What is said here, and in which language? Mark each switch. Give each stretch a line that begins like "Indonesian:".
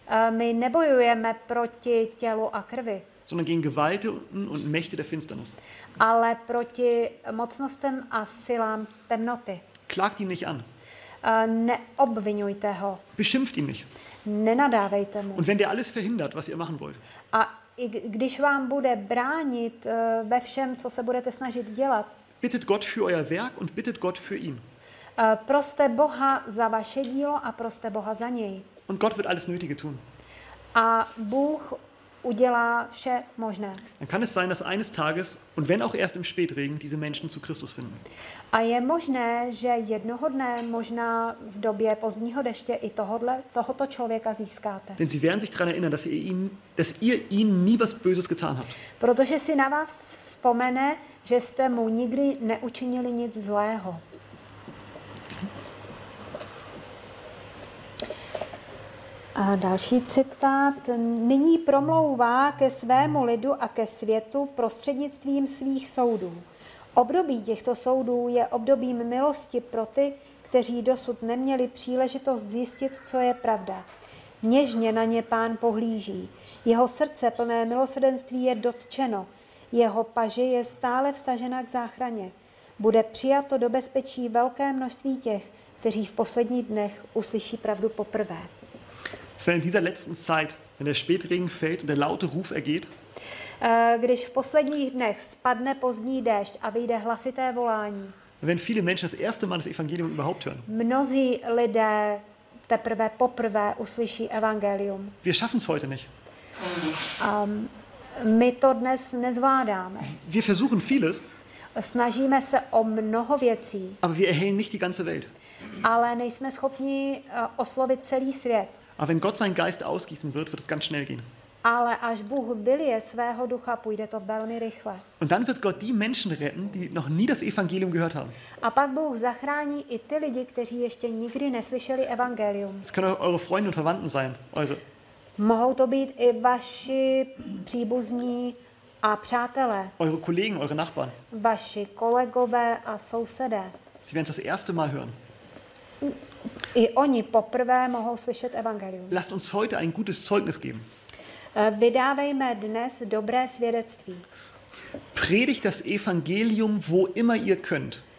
Czech: My nebojujeme proti tělu a krvi.
German: Sondern gegen Gewalten und Mächte der Finsternis.
Czech: Ale proti mocnostem a silám temnoty.
German: Klagt ihn nicht an.
Czech: Neobvinujte ho.
German: Beschimpft ihn nicht.
Czech: Nenadávejte mu.
German: Und wenn der alles verhindert, was ihr machen wollt.
Czech: A i když vám bude bránit ve všem, co se budete snažit dělat.
German: Bittet Gott für euer Werk und bittet Gott für ihn.
Czech: Proste Boha za vaše dílo a proste Boha za něj.
German: Und Gott wird alles Nötige tun.
Czech: A Bůh udělá vše možné.
German: Dann kann es sein, dass eines Tages und wenn auch erst im Spätregen diese Menschen zu Christus finden.
Czech: A je možné, že jednoho dne, možná v době pozdního deště i tohoto člověka získáte.
German: Denn sie werden sich daran erinnern, dass ihr ihnen nie was Böses getan habt.
Czech: Protože si na vás vzpomene, že jste mu nikdy neučinili nic zlého. A další citát. Nyní promlouvá ke svému lidu a ke světu prostřednictvím svých soudů. Období těchto soudů je obdobím milosti pro ty, kteří dosud neměli příležitost zjistit, co je pravda. Něžně na ně Pán pohlíží. Jeho srdce plné milosrdenství je dotčeno. Jeho paže je stále vstažena k záchraně. Bude přijato do bezpečí velké množství těch, kteří v posledních dnech uslyší pravdu poprvé.
German: Es wird in dieser letzten Zeit, wenn der Spätregen fällt und der laute Ruf ergeht.
Czech: Když v posledních dnech spadne pozdní déšť a vyjde hlasité volání.
German: Wenn viele Menschen das erste Mal das Evangelium überhaupt hören.
Czech: Mnozí lidé poprvé uslyší evangelium.
German: Wir schaffen es heute nicht.
Czech: My to dnes nezvládáme.
German: Wir versuchen vieles.
Czech: Snažíme se o mnoho věcí.
German: Aber wir erhellen nicht die ganze Welt.
Czech: Ale nejsme schopni oslovit celý svět.
German: Aber wenn Gott seinen Geist ausgießen wird, wird es ganz schnell gehen.
Czech: Ale až Bůh vylije svého ducha, půjde to velmi rychle.
German: Und dann wird Gott die Menschen retten, die noch nie das Evangelium gehört haben.
Czech: A pak Bůh zachrání i ty lidi, kteří ještě nikdy neslyšeli evangelium.
German: Es können auch eure Freunde und Verwandten sein, eure.
Czech: Mohou to být i vaši příbuzní a přátelé.
German: Eure Kollegen, eure Nachbarn.
Czech: Vaši kolegové a sousedé.
German: Sie werden es das erste Mal hören.
Czech: I oni poprvé mohou slyšet evangelium.
German: Lasst uns heute ein gutes Zeugnis geben.
Czech: Vydávejme dnes dobré svědectví.
German: Predigt das Evangelium, wo immer ihr könnt.